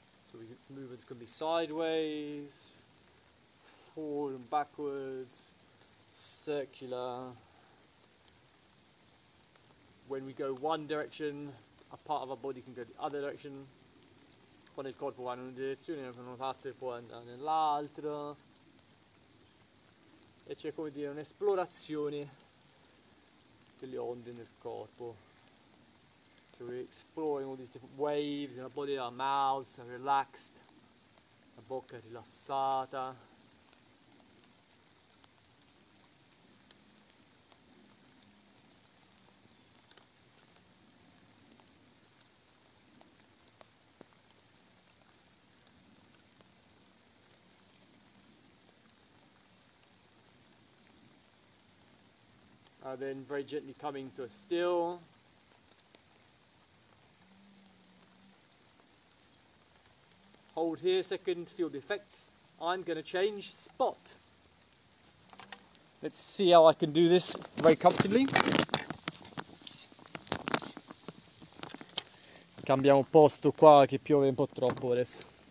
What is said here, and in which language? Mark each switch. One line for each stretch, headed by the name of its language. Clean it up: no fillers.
English: So movements can be sideways, forward and backwards, circular. When we go one direction, a part of our body can go the other direction.
Italian: Quando il corpo va in una direzione, in una parte può andare nell'altra. E c'è, come dire, un'esplorazione delle onde nel corpo.
English: So we're exploring all these different waves in our body, our mouths are relaxed,
Italian: la bocca è rilassata.
English: And then very gently coming to a still. Hold here a second, feel the effects. I'm gonna change spot. Let's see how I can do this very comfortably.
Italian: Cambiamo posto qua che piove un po' troppo adesso.